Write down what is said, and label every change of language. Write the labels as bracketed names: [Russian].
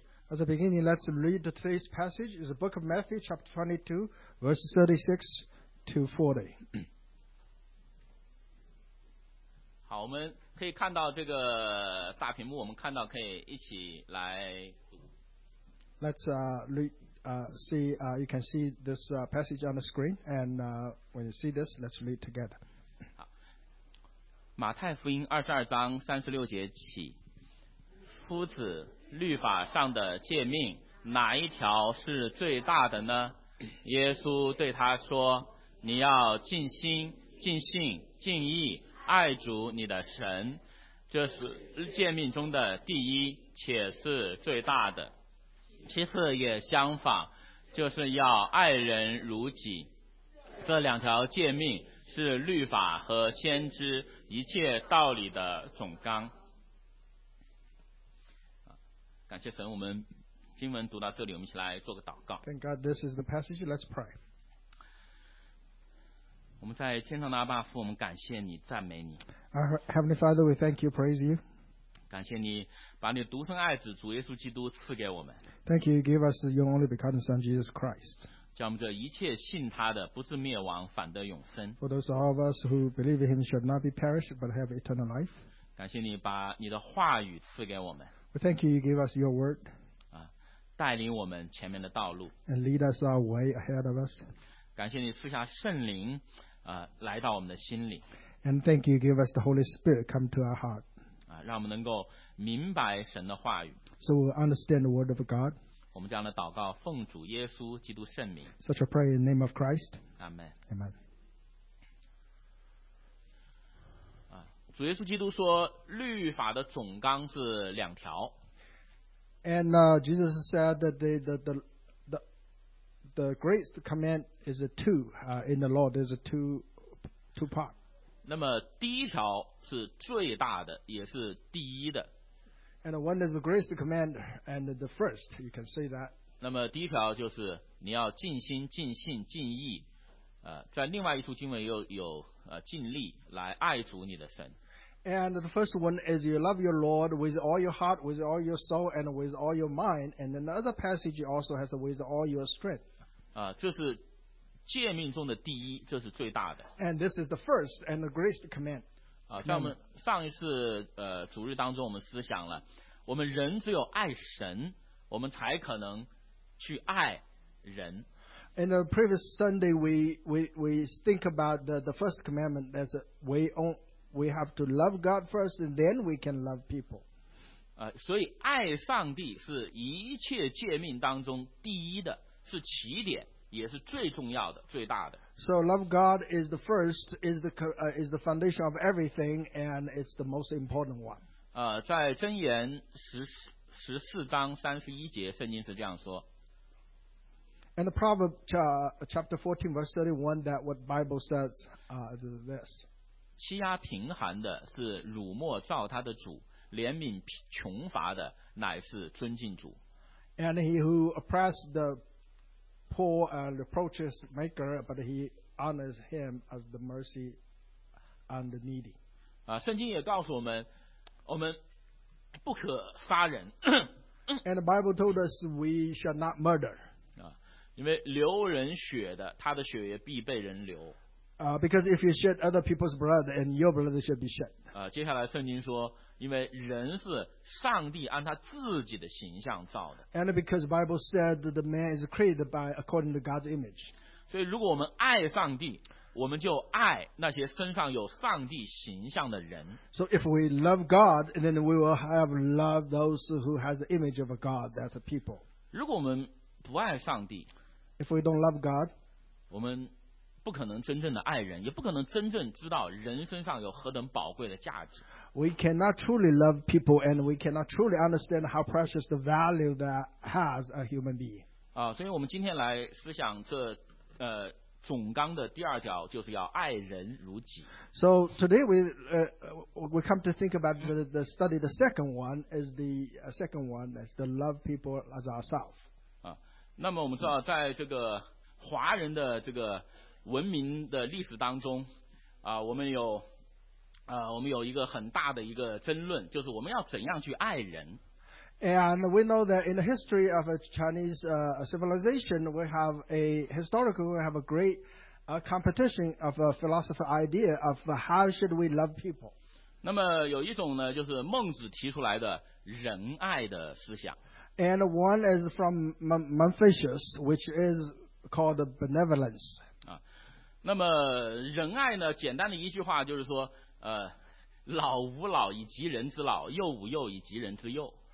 [English] As a beginning, let's read today's passage. It's the book of Matthew, chapter 22, verses 36 to 40. [Chinese] 好，我们可以看到这个大屏幕，我们看到可以一起来读。 [English] Let's you can see this passage on the screen, and when you see this, let's read together. [Chinese] 马太福音22:36起，夫子，律法上的诫命哪一条是最大的呢？耶稣对他说，你要尽心尽性尽意爱主你的神，这是诫命中的第一且是最大的，其次也相仿，就是要爱人如己。这两条诫命是律法和先知一切道理的总纲。感谢神，我们经文读到这里，我们一起来做个祷告。 [English] Thank God, this is the passage. Let's pray. [Chinese] 我们在天上的阿爸父，我们感谢你，赞美你。 [English] Our Heavenly Father, we thank you, praise you. [Chinese] 感谢你把你独生爱子主耶稣基督赐给我们。 [English] Thank you, give us your only begotten Son, Jesus Christ. [Chinese] 叫我们这一切信他的不至灭亡，反得永生。 [English] For those of us who believe in him should not be perished but have eternal life. [Chinese] 感谢你把你的话语赐给我们。 [English] We thank you, you give us your word. [Chinese] 带领我们前面的道路。 [English] And lead us our way ahead of us. [Chinese] 感谢你赐下圣灵，来到我们的心里。 [English] And thank you, give us the Holy Spirit come to our heart. [Chinese] 让我们能够明白神的话语。 [English] So we understand the word of God. [Chinese] 我们这样的祷告奉主耶稣基督圣名。 [English] Such a prayer in the name of Christ. Amen. Amen. [Chinese] 主耶稣基督说律法的总纲是两条。 [English] And Jesus said that the greatest command is a two. In the law there's a two part. [Chinese] 那么第一条是最大的也是第一的。 [English] And one is the greatest command, and the first, you can say that. [Chinese] 那么第一条就是你要尽心、尽性、尽意，在另外一处经文又有尽力来爱主你的神。 [English] And the first one is you love your Lord with all your heart, with all your soul, and with all your mind. And then the other passage also has with all your strength. [Chinese] 这是诫命中的第一，这是最大的。 [English] And this is the first and the greatest command. [Chinese] 在我们上一次主日当中，我们思想了，我们人只有爱神，我们才可能去爱人。 [English] In the previous Sunday, we think about the first commandment that we have to love God first, and then we can love people. [Chinese] 所以爱上帝是一切诫命当中第一的，是起点，也是最重要的、最大的。 [English] So love God is the first, is the foundation of everything, and it's the most important one. [Chinese] 在箴言14:31，圣经是这样说。 [English] And the Proverbs chapter 14 verse 31, that what Bible says is this. [Chinese] 欺压贫寒的是辱没造他的主，怜悯穷乏的乃是尊敬主。 [English] And he who oppressed the poor and reproaches maker, but he honors him as the mercy and the needy. [Chinese] 圣经也告诉我们，我们不可杀人。 [English] And the Bible told us we shall not murder. [Chinese] 因为流人血的，他的血也必被人流。 [English] Because if you shed other people's blood, and your blood should be shed. [Chinese] 接下来圣经说，因为人是上帝按他自己的形象造的。 [English] And because the Bible said that the man is created by according to God's image. [Chinese] 所以如果我们爱上帝，我们就爱那些身上有上帝形象的人。 [English] So if we love God, then we will have love those who has the image of God, that's a people. [Chinese] 如果我们不爱上帝 [English] ，if we don't love God, [Chinese] 我们不可能真正的爱人，也不可能真正知道人身上有何等宝贵的价值。 [English] We cannot truly love people, and we cannot truly understand how precious the value that has a human being. [Chinese] 所以我们今天来思想这总纲的第二条，就是要爱人如己。 [English] So today we come to think about the study. The second one is the second one is to love people as ourselves. [Chinese] 那么我们知道，在这个华人的这个文明的历史当中，我们有一个很大的一个争论，就是我们要怎样去爱人。 [English] And we know that in the history of a Chinese civilization, we have a historical, we have a great competition of a philosophical idea of how should we love people. [Chinese] 那么有一种呢，就是孟子提出来的仁爱的思想。 [English] And one is from Confucius, which is called benevolence. [Chinese] 那么仁爱呢，简单的一句话就是说，老吾老以及人之老，幼吾幼以及人之幼。